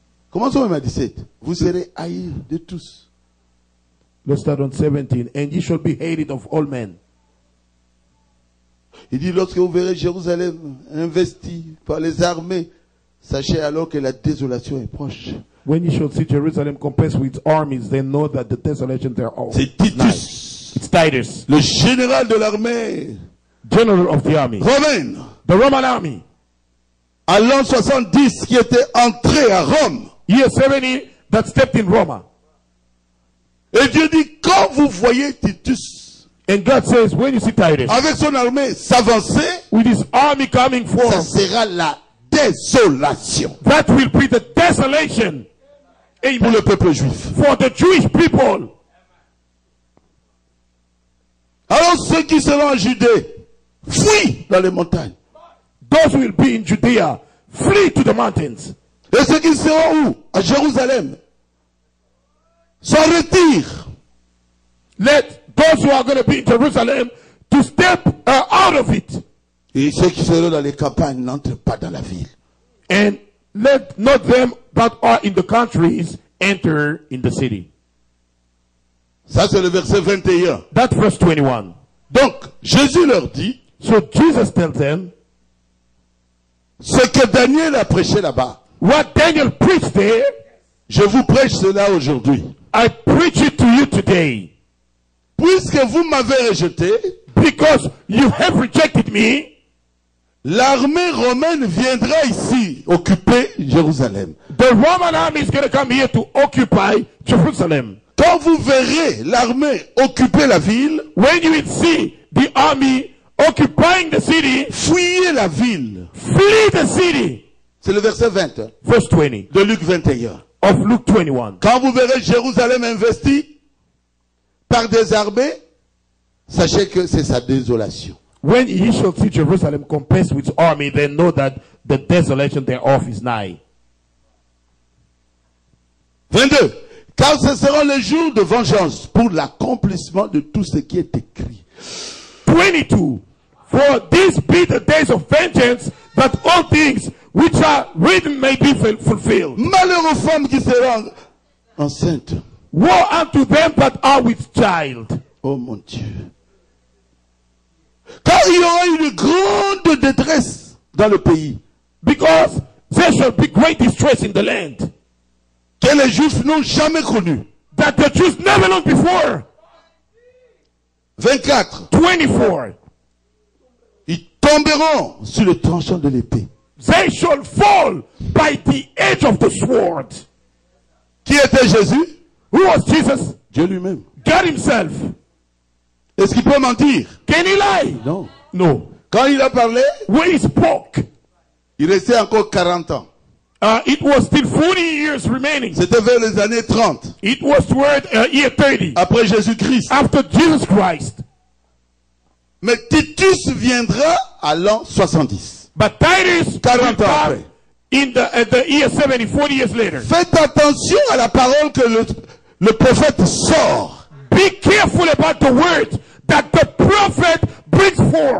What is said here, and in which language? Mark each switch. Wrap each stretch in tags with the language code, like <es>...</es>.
<fr>Commençons même à 17. Vous serez haïs de tous.</fr> <en>Let's start on 17. And ye shall be hated of all men.</en> <fr>Il dit, lorsque vous verrez Jérusalem investie par les armées, sachez alors que la désolation est proche.</fr> <en>When ye shall see Jerusalem compassed with armies, then know that the desolation thereof.</en> <fr>C'est Titus.</fr> <en>It's Titus.</en> <fr>Le général de l'armée.</fr> <en>General of the army.</en> <fr>Romain.</fr> <en>The Roman army.</en> <fr>À l'an 70 qui était entré à Rome.</fr> <en>Year 70 that stepped in Roma.</en> <fr>Et Dieu dit, quand vous voyez Titus,</fr> <en>and God says, when you see Titus,</en> <fr>avec son armée s'avancer,</fr> <en>with his army coming forth,</en> <fr>ça sera la désolation.</fr> <en>That will be the desolation.</en> <fr>Amen. Pour le peuple juif.</fr> <en>For the Jewish people.</en> <fr>Alors ceux qui seront en Judée, fuient dans les montagnes.</fr> <en>Those will be in Judea, flee to the mountains.</en> <fr>Et ceux qui seront où? À Jérusalem. S'en retire.</fr> <en>Let those who are going to be in Jerusalem to step out of it.</en> <fr>Et ceux qui seront dans les campagnes n'entrent pas dans la ville.</fr> <en>And let not them that are in the countries enter in the city.</en> <fr>Ça c'est le verset 21.</fr> <en>That verse 21.</en> <fr>Donc Jésus leur dit.</fr> <en>So Jesus tells them.</en> <fr>Ce que Daniel a prêché là-bas.</fr> <en>What Daniel preached there,</en> <fr>je vous prêche cela aujourd'hui.</fr> <en>I preach it to you today.</en> <fr>Puisque vous m'avez rejeté,</fr> <en>because you have rejected me,</en> <fr>L'armée romaine viendra ici occuper Jérusalem.</fr> <en>The Roman army is going to come here to occupy Jerusalem.</en> <fr>Quand vous verrez l'armée occuper la ville,</fr> <en>when you will see the army occupying the city,</en> <fr>fuyez la ville.</fr> <en>Flee the city.</en> <fr>C'est le verset 20.</fr> <en>Verse 20.</en> <fr>De Luc 21.</fr> <en>Of Luke 21.</en> <fr>Quand vous verrez Jérusalem investie par des armées, sachez que c'est sa désolation.</fr> <en>When ye shall see Jerusalem compassed with army, then know that the desolation thereof is nigh.</en> <fr>22. Car ce seront les jours de vengeance pour l'accomplissement de tout ce qui est écrit.</fr> <en>22. For these be the days of vengeance, that all things which are written may be fulfilled.</en> <fr>Malheur aux femmes qui seront enceintes.</fr> <en>Woe unto them that are with child.</en> <fr>Oh mon Dieu. Quand il y aura une grande détresse dans le pays.</fr> <en>Because there shall be great distress in the land.</en> <fr>Que les Juifs n'ont jamais connu.</fr> <en>That the Jews never known before.</en> <fr>24.</fr> <en>24.</en> <fr>Ils tomberont sur le tranchant de l'épée.</fr> <en>They shall fall by the edge of the sword.</en> <fr>Qui était Jésus?</fr> <en>Who was Jesus?</en> <fr>Dieu lui-même.</fr> <en>God himself.</en> <fr>Est-ce qu'il peut mentir?</fr> <en>Can he lie?</en> <fr>Non.</fr> <en>No.</en> <fr>Quand il a parlé,</fr> <en>when he spoke,</en> <fr>il restait encore 40 ans.</fr> <en>It was still 40 years remaining.</en> <fr>C'était vers les années 30.</fr> <en>It was toward year 30.</en> <fr>Après Jésus-Christ.</fr> <en>After Jesus Christ.</en> <fr>Mais Titus viendra à l'an 70.</fr> <en>But Titus</en> <fr>40 ans après.</fr> <en>In the year 70, 40 years later.</en> <fr>Faites attention à la parole que le prophète sort.</fr> <en>Be careful about the word that the prophet brings forth.</en>